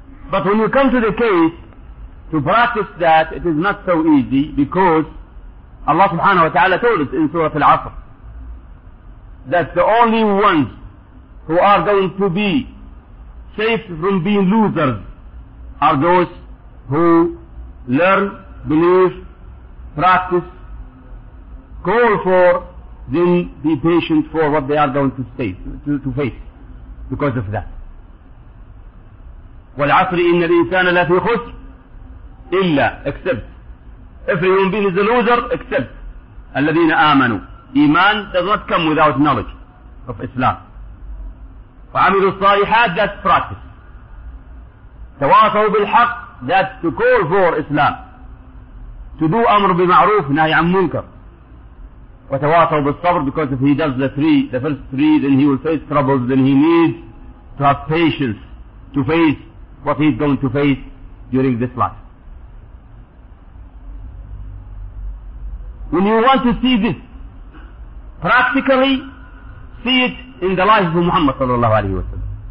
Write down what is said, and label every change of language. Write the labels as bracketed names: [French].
[English] But when you come to the case, to practice that, it is not so easy, because Allah subhanahu wa ta'ala told us in Surah Al-Asr that the only ones who are going to be safe from being losers are those who learn, believe, practice, call for, then be patient for what they are going to face because of that. [Arabic] وَالْعَصْرِ إِنَّ الْإِنسَانَ لَفِي خُسْرٍ إلا accept. [English] Every human being is a loser, except [Arabic] الذين آمنوا. [English] Iman does not come without knowledge of Islam. [Arabic] فعملوا الصالحات, [English] that's practice. [Arabic] تواصوا بالحق, [English] that's to call for Islam. To do [Arabic] أمر بمعروف نهي عن منكر. وتواصوا بالصبر, [English] because if he does the first three, then he will face troubles, then he needs to have patience to face what he's going to face during this life. When you want to see this practically, see it in the life of Muhammad sallallahu alayhi wa sallam.